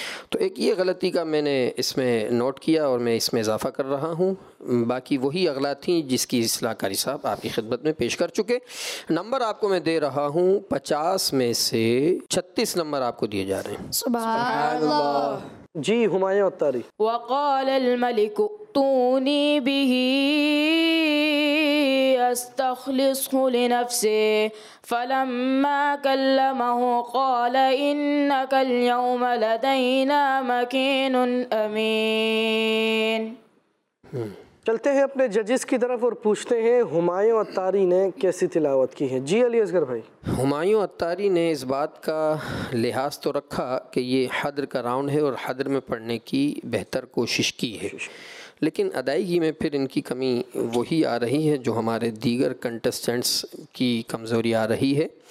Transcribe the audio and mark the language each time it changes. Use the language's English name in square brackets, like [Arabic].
[Urdu] تو ایک یہ غلطی کا میں نے اس میں نوٹ کیا اور میں اس میں اضافہ کر رہا ہوں. باقی وہی اغلا تھیں جس کی اصلاح قاری صاحب آپ کی خدمت میں پیش کر چکے. نمبر آپ کو میں دے رہا ہوں 50 میں سے 36 نمبر آپ کو دیے جا رہے ہیں. سبحان اللہ. جی ہمایوں اتاری. [Arabic] وقال الملك ائتوني به استخلصه لنفسي فلما كلمه قال انك اليوم لدينا مكين امين. [Urdu] چلتے ہیں اپنے ججز کی طرف اور پوچھتے ہیں ہمایوں اتاری نے کیسی تلاوت کی ہے. جی علی اصغر بھائی. ہمایوں اتاری نے اس بات کا لحاظ تو رکھا کہ یہ حدر کا راؤنڈ ہے اور حدر میں پڑھنے کی بہتر کوشش کی ہے، لیکن ادائیگی میں پھر ان کی کمی وہی آ رہی ہے جو ہمارے دیگر کنٹسٹنٹس کی کمزوری آ رہی ہے.